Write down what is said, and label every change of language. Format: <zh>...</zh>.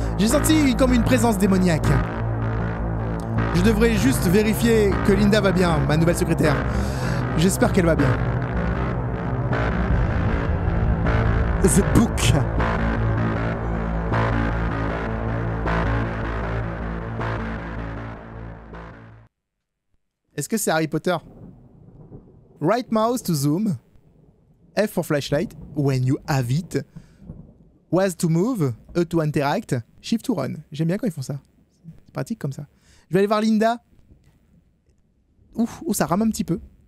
<fr>J'ai senti comme une présence démoniaque. Je devrais juste vérifier que Linda va bien, ma nouvelle secrétaire. J'espère qu'elle va bien.</fr> <en>The Book.</en> <fr>Est-ce que c'est Harry Potter?</fr> <en>Right mouse to zoom. F for flashlight, when you have it. Was to move, E to interact, shift to run.</en> <fr>J'aime bien quand ils font ça. C'est pratique comme ça. Je vais aller voir Linda. Ouf, ça rame un petit peu.</fr>